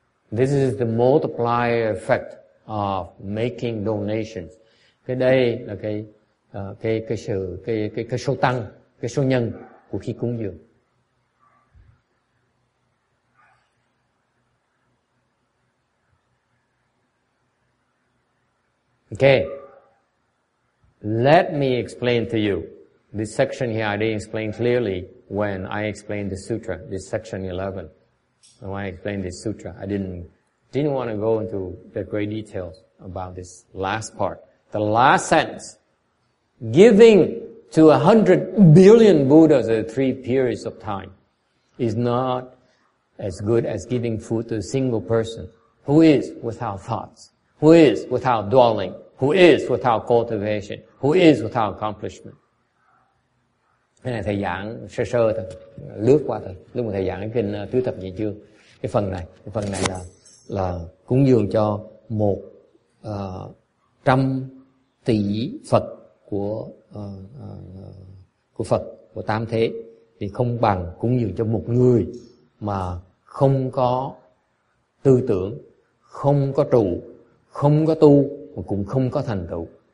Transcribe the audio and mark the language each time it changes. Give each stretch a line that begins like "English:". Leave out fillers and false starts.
English: This is the multiplier effect of making donations.
Vietnamese: Cái đây là cái số tăng, cái số nhân của khi cúng dường.
English: Okay, let me explain to you this section here. I didn't explain clearly when I explained the sutra, this section 11. When I explained this sutra, I didn't want to go into the great details about this last part. The last sentence, giving to 100 billion Buddhas at 3 periods of time is not as good as giving food to a single person who is without thoughts, who is without dwelling, who is without cultivation, who is without accomplishment.
Vietnamese: Cái này thầy giảng sơ sơ thôi, lướt qua thôi. Lúc mà thầy giảng cái kinh tứ thập nhị chương, cái phần này là cúng dường cho 100 tỷ Phật của Phật của tam thế thì không bằng cúng dường cho một người mà không có tư tưởng, không có trụ, không có tu, mà cũng không có thành tựu.